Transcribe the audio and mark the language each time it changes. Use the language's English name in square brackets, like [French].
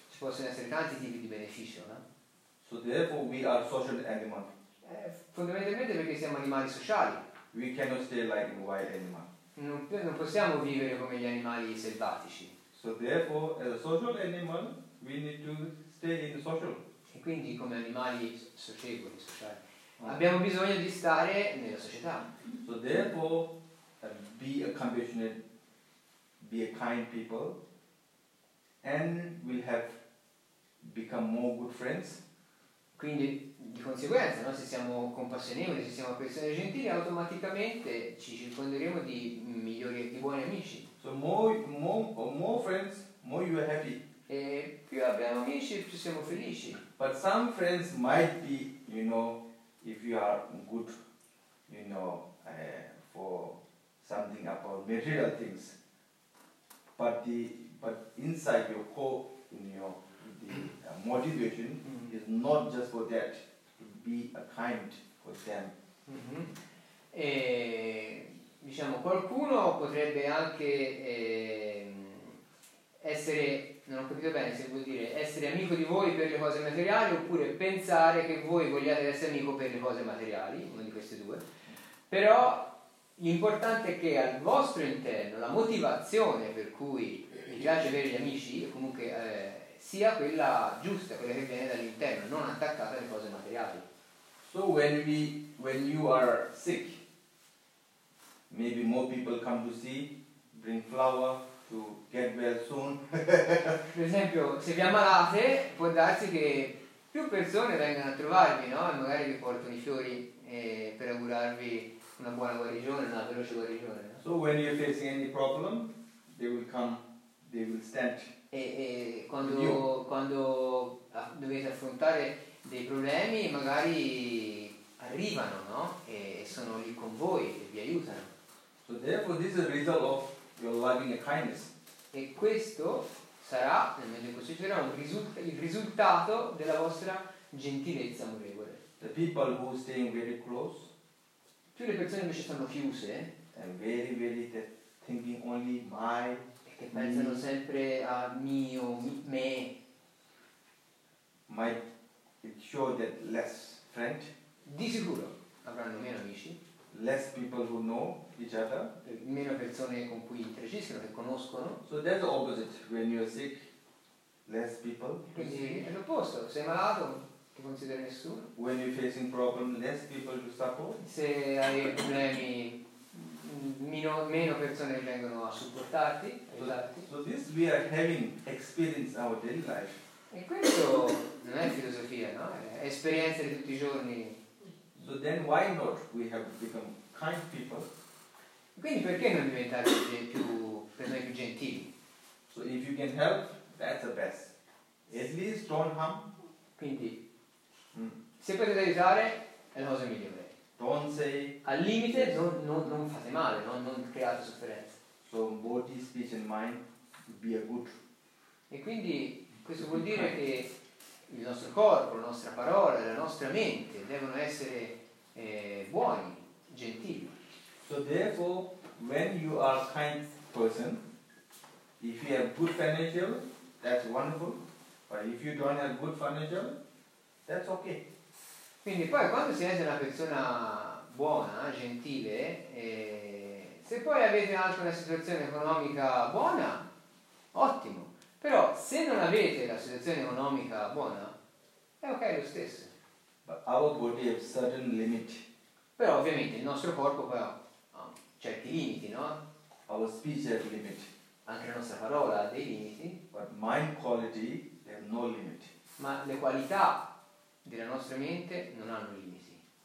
[Italian] Ci possono essere tanti tipi di beneficio, no? [English] So therefore we are social animal. [Italian] Fondamentalmente perché siamo animali sociali. [English] We cannot stay like wild animal. [Italian] Non possiamo vivere come gli animali selvatici. [English] So therefore as a social animal we need to stay in the social. [Italian] E quindi come animali socievoli, sociali. Abbiamo bisogno di stare nella società. [English] So therefore be a compassionate, be a kind people, and we'll have become more good friends. [Italian] Quindi di conseguenza, no? Se siamo compassionevoli, se siamo persone gentili, automaticamente ci circonderemo di migliori, di buoni amici. [English] So more friends, more you are happy. [Italian] E più abbiamo amici, più siamo felici. [English] But some friends might be, you know, if you are good, you know, for something about material things, but inside your core, in your motivation is not just for that, to be a kind for them. [Italian] E diciamo qualcuno potrebbe anche essere, non ho capito bene se vuol dire essere amico di voi per le cose materiali oppure pensare che voi vogliate essere amico per le cose materiali, una di queste due. Però l'importante è che al vostro interno la motivazione per cui vi piace avere gli amici comunque sia quella giusta, quella che viene dall'interno, non attaccata alle cose materiali. [English] So when you are sick, maybe more people come to see, bring flower to get well soon. [Italian] Per esempio, se vi ammalate, può darsi che più persone vengano a trovarvi, no? E magari vi portano i fiori per augurarvi una buona guarigione, una veloce guarigione. No? [English] So when you're facing any problem, they will come, they will stand. [Italian] E quando dovete affrontare dei problemi, magari arrivano, no? E sono lì con voi e vi aiutano. [English] So therefore this is the result of your loving kindness. [Italian] E questo sarà, nel momento in cui succederà, il risultato della vostra gentilezza amorevole. [English] The people who stay very close, [Italian] più le persone invece stanno chiuse, [English] and very, very thinking only my, [Italian] e che pensano sempre a mio, me, [English] might it show that less friend, [Italian] di sicuro avranno meno amici. [English] Less people who know each other. [Italian] Meno persone con cui interagiscono, che conoscono. [English] So that's the opposite. When you're sick, less people. [Italian] Quindi è l'opposto. Sei malato, ti considera nessuno. [English] When you're facing problems, less people to support. [Italian] Se hai problemi, meno persone vengono a supportarti, aiutarti. [English] So this we are having experience our daily life. [Italian] E questo non è filosofia, no? È esperienza di tutti i giorni. [English] So then why not we have become kind people? [Italian] Quindi perché non diventare più persone più gentili? [English] So if you can help, that's the best. At least don't harm. [Italian] Quindi se potete aiutare è la cosa migliore. [English] Don't say. [Italian] Al limite non fate male, non create sofferenza. [English] So body, speech and mind be a good. [Italian] E quindi questo vuol dire che il nostro corpo, la nostra parola, la nostra mente devono essere buoni, gentili. [English] So therefore, when you are kind person, if you have good financial, that's wonderful. But if you don't have good financial, that's okay. [Italian] Quindi poi quando si è una persona buona, gentile, se poi avete anche una situazione economica buona, ottimo. Però se non avete la situazione economica buona, è ok lo stesso. [English] But our body has certain limit. [Italian] Però ovviamente il nostro corpo poi ha certi limiti, no? [English] Our speech has limit. [Italian] Anche la nostra parola ha dei limiti. [English] But mind quality have no limit. [Italian] Ma le qualità della nostra mente non hanno limiti.